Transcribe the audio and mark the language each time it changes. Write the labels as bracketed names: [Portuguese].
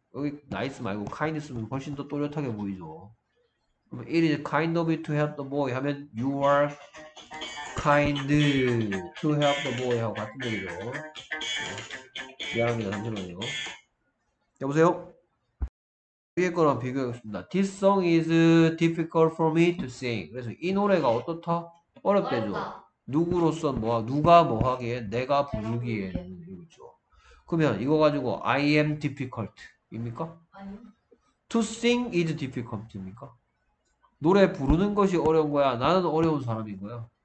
[Korean] 여기 나이스 말고 카인드 쓰면 훨씬 더 또렷하게 보이죠. [English] 그럼 it is kind of you to help the boy 하면 you are kind to help the boy [Korean] 하고 같은 얘기죠. 미안합니다. 잠시만요. 여보세요? 위에 거랑 비교해보겠습니다. [English] This song is difficult for me to sing. [Korean] 그래서 이 노래가 어떻다? 어렵대죠. 누구로서 뭐, 누가 뭐 하기에, 내가 부르기에는 이거죠. 그러면 이거 가지고 [English] I am difficult [Korean] 입니까? 아니요. [English] To sing is difficult 입니까? [Korean] 노래 부르는 것이 어려운 거야? 나는 어려운 사람인 거야?